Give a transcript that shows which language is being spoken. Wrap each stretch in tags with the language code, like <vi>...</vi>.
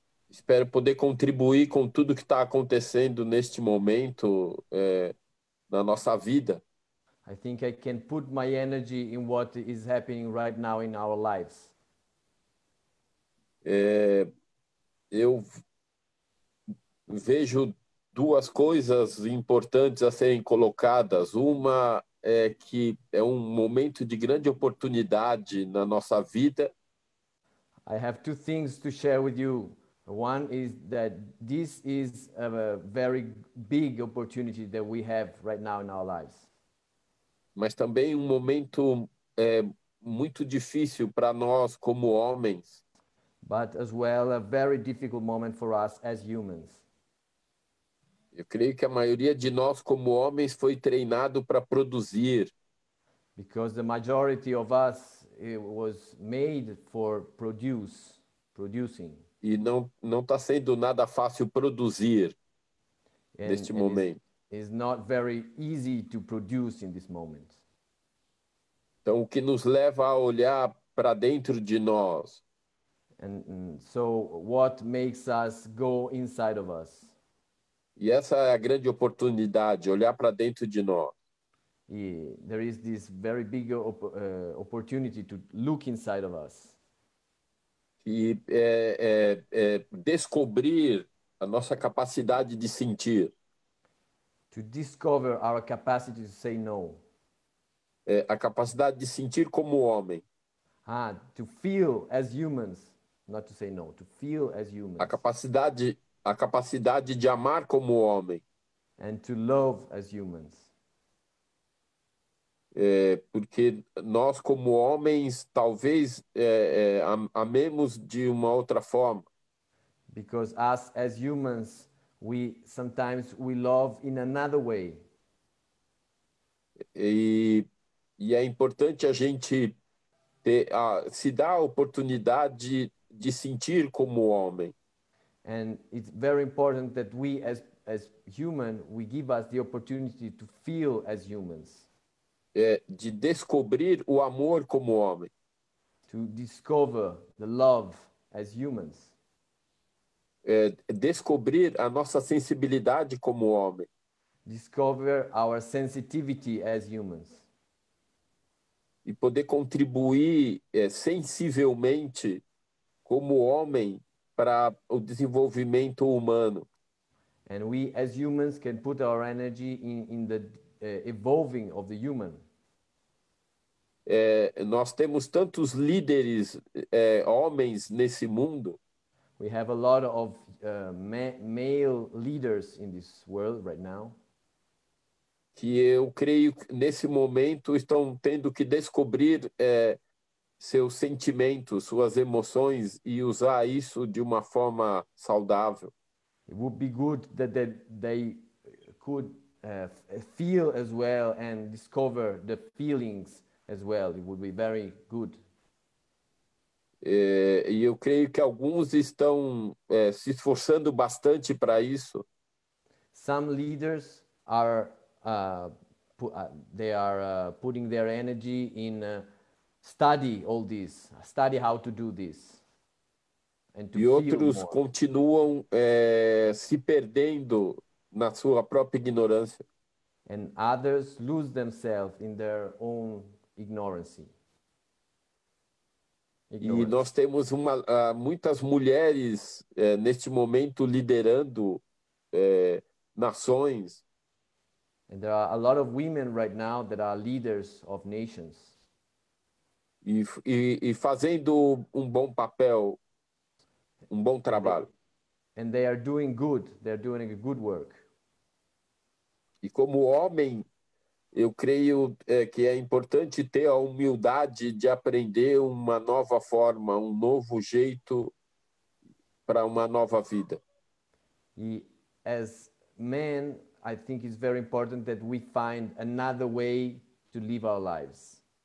<pt>Espero poder contribuir com tudo que está acontecendo neste momento na nossa vida.</pt> <en>I think I can put my energy in what is happening right now in our lives.</en> <pt>Eu vejo duas coisas importantes a serem colocadas. Uma é que é um momento de grande oportunidade na nossa vida.</pt> <en>I have two things to share with you. One is that this is a very big opportunity that we have right now in our lives.</en> <pt>Mas também um momento muito difícil para nós como homens.</pt> <en>But as well a very difficult moment for us as humans.</en> <pt>Eu creio que a maioria de nós como homens foi treinado para produzir.</pt> <en>Because the majority of us it was made for producing.</en> <pt>E não está sendo nada fácil produzir neste momento.</pt> <en>It's not very easy to produce in this moment.</en> <pt>Então, o que nos leva a olhar para dentro de nós?</pt> <en>And so, what makes us go inside of us?</en> <pt>E essa é a grande oportunidade, olhar para dentro de nós.</pt> <en>E there is this very big opportunity to look inside of us.</en> <pt>E descobrir a nossa capacidade de sentir.</pt> <en>To discover our capacity to say no.</en> <pt>A capacidade de sentir como homem.</pt> <en>To feel as humans, not to say no, to feel as humans.</en> <pt>A capacidade de amar como homem.</pt> <en>And to love as humans.</en> <pt>Porque nós como homens talvez amemos de uma outra forma.</pt> <en>Because us as humans, we sometimes we love in another way.</en> <pt>E é importante a gente ter, se dar a oportunidade de sentir como homem.</pt> <en>And it's very important that we as human, we give us the opportunity to feel as humans.</en> <pt>É, de descobrir o amor como homem.</pt> <en>To discover the love as humans.</en> <pt>É, descobrir a nossa sensibilidade como homem.</pt> <en>Discover our sensitivity as humans.</en> <pt>E poder contribuir sensivelmente como homem para o desenvolvimento humano.</pt> <en>And we as humans can put our energy in the evolving of the human.</en> <pt>É, nós temos tantos líderes homens nesse mundo.</pt> <en>We have a lot of male leaders in this world right now.</en> <pt>Que eu creio que nesse momento estão tendo que descobrir seus sentimentos, suas emoções e usar isso de uma forma saudável.</pt> <en>It would be good that they could feel as well and discover the feelings as well. It would be very good.</en> <pt>E eu creio que alguns estão se esforçando bastante para isso.</pt> <en>Some leaders are they are putting their energy in study all this, study how to do this. And to</en> <pt>e outros more. Continuam se perdendo na sua própria ignorância.</pt> <en>And others lose themselves in their own ignorance.</en> <pt>E nós temos muitas mulheres neste momento liderando nações.</pt> <en>And there are a lot of women right now that are leaders of nations.</en> <pt>E fazendo bom papel, bom trabalho.</pt> <en>And they are doing good. They're doing a good work.</en> <pt>E como homem, eu creio que é importante ter a humildade de aprender uma nova forma, novo jeito para uma nova vida.</pt> <en>E as men, I think it's very important that we find another way to live our lives.</en>